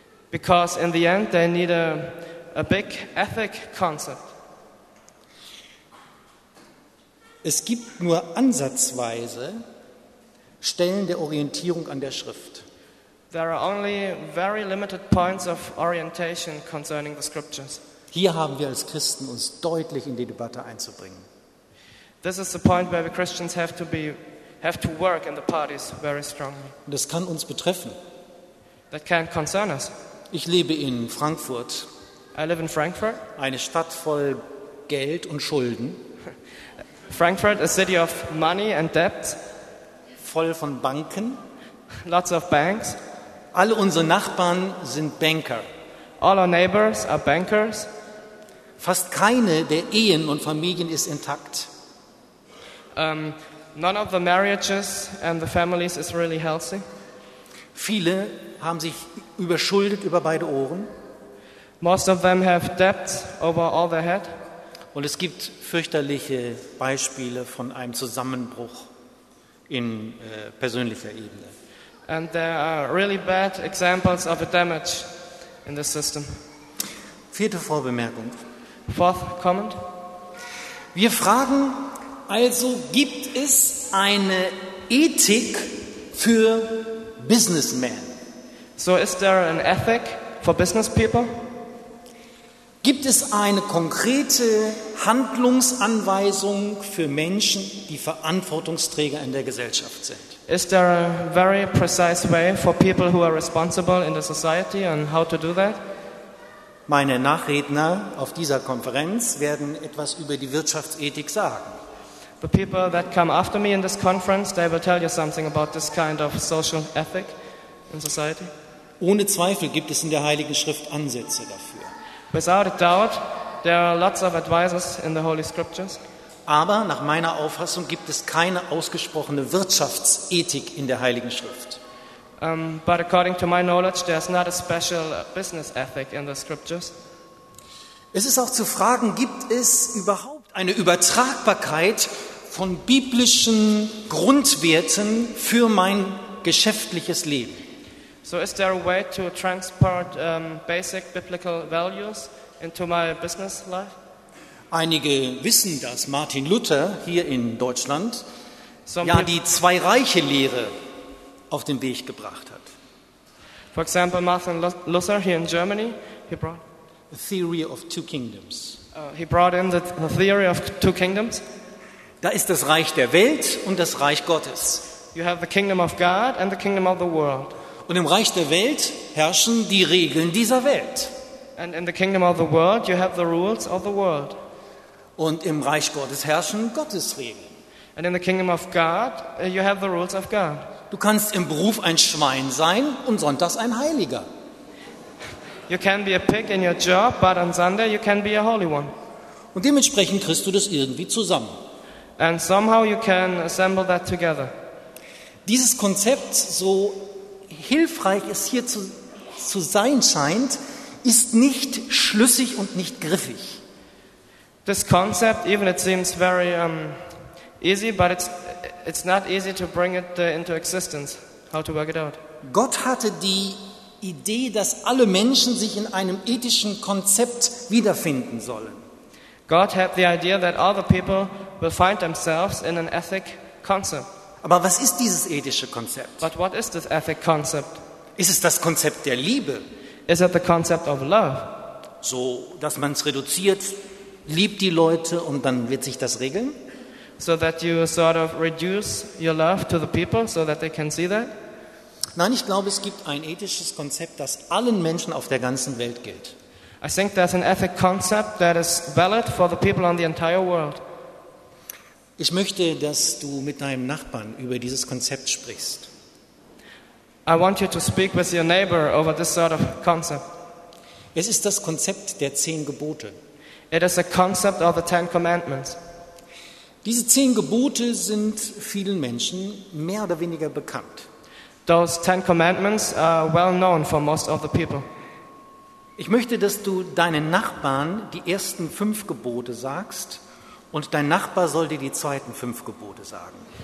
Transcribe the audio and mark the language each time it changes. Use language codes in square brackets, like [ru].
[en] Because in the end they need a big ethic concept. [de] Es gibt nur ansatzweise Stellen der Orientierung an der Schrift. [en] There are only very limited points of orientation concerning the scriptures. [de] Hier haben wir als Christen uns deutlich in die Debatte einzubringen. [en] This is the point where we Christians have to work in the parties very strongly. [de] Das kann uns betreffen. [en] That can concern us. [de] Ich lebe in Frankfurt. [en] I live in Frankfurt. [de] Eine Stadt voll Geld und Schulden. [en] Frankfurt, a city of money and debt. [de] Voll von Banken. [en] Lots of banks. [de] Alle unsere Nachbarn sind Banker. [en] All our neighbors are bankers. [de] Fast keine der Ehen und Familien ist intakt. [en] None of the marriages and the families is really healthy. [de] Viele haben sich überschuldet über beide Ohren. [en] Most of them have debt over all their head. [de] Und es gibt fürchterliche Beispiele von einem Zusammenbruch in persönlicher Ebene. [en] And there are really bad examples of a damage in the system. [de] Vierte Vorbemerkung. [en] Fourth comment. [de] Wir fragen also, gibt es eine Ethik für Businessmen? [en] So is there an ethic for business people? [de] Gibt es eine konkrete Handlungsanweisung für Menschen, die Verantwortungsträger in der Gesellschaft sind? [en] Is there a very precise way for people who are responsible in the society and how to do that? [de] Meine Nachredner auf dieser Konferenz werden etwas über die Wirtschaftsethik sagen. [en] The people that come after me in this conference, they will tell you something about this kind of social ethic in society. [de] Ohne Zweifel gibt es in der Heiligen Schrift Ansätze dafür. [en] Without a doubt, there are lots of advices in the Holy Scriptures. [de] Aber nach meiner Auffassung gibt es keine ausgesprochene Wirtschaftsethik in der Heiligen Schrift. [en] But according to my knowledge, there's not a special business ethic in the Scriptures. [de] Es ist auch zu fragen, gibt es überhaupt eine Übertragbarkeit von biblischen Grundwerten für mein geschäftliches Leben? [en] So is there a way to transport basic biblical values into my business life? [de] Einige wissen, dass Martin Luther hier in Deutschland die Zwei-Reiche-Lehre auf den Weg gebracht hat. [en] For example, Martin Luther here in Germany, he brought the theory of two kingdoms. He brought in the theory of two kingdoms. [de] Da ist das Reich der Welt und das Reich Gottes. [en] You have the kingdom of God and the kingdom of the world. [de] Und im Reich der Welt herrschen die Regeln dieser Welt. [en] And in the kingdom of the world, you have the rules of the world. [de] Und im Reich Gottes herrschen Gottes Regeln. [en] And in the kingdom of God, you have the rules of God. [de] Du kannst im Beruf ein Schwein sein und sonntags ein Heiliger. [en] You can be a pig in your job, but on Sunday you can be a holy one. [de] Und dementsprechend kriegst du das irgendwie zusammen. [en] And somehow you can assemble that together. [de] Dieses Konzept, so hilfreich es hier zu sein scheint, ist nicht schlüssig und nicht griffig. [en] This concept, even it seems very easy, but it's not easy to bring it into existence, how to work it out. [de] Gott hatte die Idee, dass alle Menschen sich in einem ethischen Konzept wiederfinden sollen. [en] God had the idea that all the people will find themselves in an ethic concept. [de] Aber was ist dieses ethische Konzept? [en] But what is this ethic concept? [de] Ist es das Konzept der Liebe? [en] Is it the concept of love? [de] So, dass man es reduziert, liebt die Leute und dann wird sich das regeln? [en] So that you sort of reduce your love to the people so that they can see that? [de] Nein, ich glaube, es gibt ein ethisches Konzept, das allen Menschen auf der ganzen Welt gilt. [en] I think there's an ethic concept that is valid for the people on the entire world. [de] Ich möchte, dass du mit deinem Nachbarn über dieses Konzept sprichst. [en] I want you to speak with your neighbor over this sort of concept. [de] Es ist das Konzept der 10 Gebote. [en] It is a concept of the Ten Commandments. [de] Diese 10 Gebote sind vielen Menschen mehr oder weniger bekannt. [en] Those Ten Commandments are well known for most of the people. [de] Ich möchte, dass du deinen Nachbarn die ersten 5 Gebote sagst und dein Nachbar soll dir die zweiten 5 Gebote sagen.